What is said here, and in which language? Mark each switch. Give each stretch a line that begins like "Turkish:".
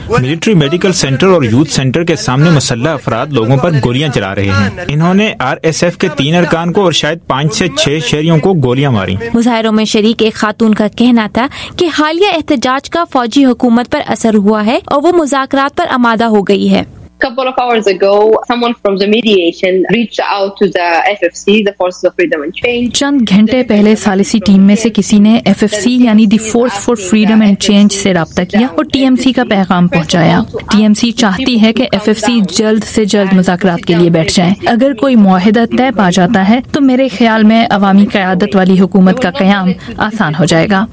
Urdu: Military medical centre اور youth centre کے سامنے مسلح افراد لوگوں پر گولیاں چلا رہے ہیں، انہوں نے آر ایس ایف کے 3 ارکان کو اور شاید 5 سے 6 شہریوں کو گولیاں ماری۔ مظاہروں میں شریک ایک خاتون کا کہنا تھا کہ حالیہ احتجاج کا فوجی حکومت پر اثر ہوا ہے اور وہ مذاکرات پر آمادہ ہو گئی ہے۔
English: Couple of hours ago, someone from the mediation reached out to the FFC, the Forces of Freedom and Change.
Urdu: چند گھنٹے پہلے ثالثی ٹیم میں سے کسی نے ایف ایف سی یعنی the force for freedom and change سے رابطہ کیا اور ٹی ایم سی کا پیغام پہنچایا۔ ٹی ایم سی چاہتی ہے کہ ایف ایف سی جلد سے جلد مذاکرات کے لیے بیٹھ جائیں۔ اگر کوئی معاہدہ طے پا جاتا ہے تو میرے خیال میں عوامی قیادت والی حکومت کا قیام آسان ہو جائے گا۔